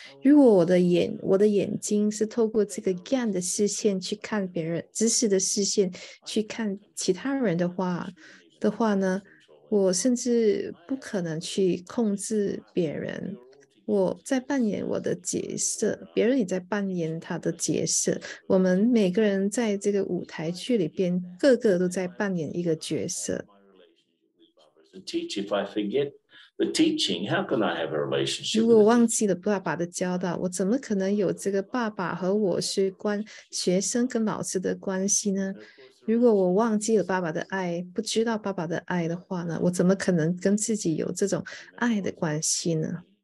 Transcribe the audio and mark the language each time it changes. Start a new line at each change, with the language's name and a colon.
Chinese: 如果我的眼睛是透过这个 GAN 的视线去看别人，知识的视线去看其他人的话呢，我甚至不可能去控制别人。我在扮演我的角色，别人也在扮演他的角色。我们每个人在这个舞台剧里边，个个都在扮演一个角色。
English: If I forget the teaching, how can I have a relationship?
Chinese: 如果我忘记了爸爸的教导，我怎么可能有这个爸爸和我是学生跟老师的关系呢？如果我忘记了爸爸的爱，不知道爸爸的爱的话呢，我怎么可能跟自己有这种爱的关系呢？